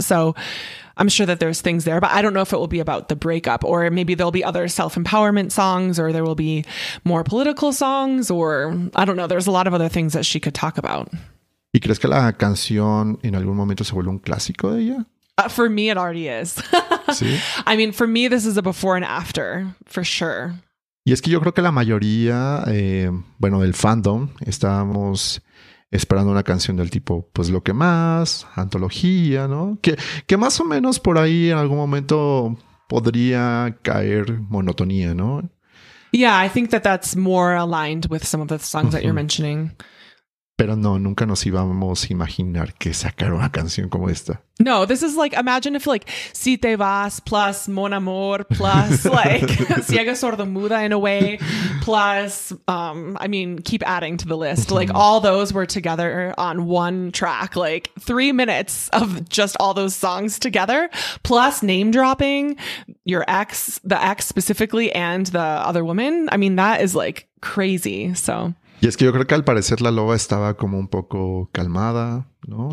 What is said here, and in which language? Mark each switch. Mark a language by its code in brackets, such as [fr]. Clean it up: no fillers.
[en] So I'm sure that there's things there, but I don't know if it will be about the breakup, or maybe there'll be other self-empowerment songs, or there will be more political songs, or I don't know. There's a lot of other things that she could talk about. [es] ¿Y crees que la canción en algún momento se vuelve un clásico de ella? [en] For me, it already is. ¿Sí? I mean, for me, this is a before and after for sure. [es] Y es que yo creo que la mayoría, bueno, del fandom, estábamos esperando una canción del tipo, pues lo que más, antología, ¿no? Que más o menos por ahí en algún momento podría caer monotonía, ¿no? [en] Yeah, I think that that's more aligned with some of the songs that you're mentioning. [es] Pero no, nunca nos íbamos a imaginar que sacara una canción como esta. [en] No, this is like, imagine if like, Si Te Vas plus Mon Amor plus like, Ciega Sordomuda in a way plus, I mean, keep adding to the list. Like all those were together on one track, like 3 minutes of just all those songs together plus name dropping your ex, the ex specifically and the other woman. I mean, that is like crazy, so... [es] Y es que yo creo que al parecer la loba estaba como un poco calmada, ¿no?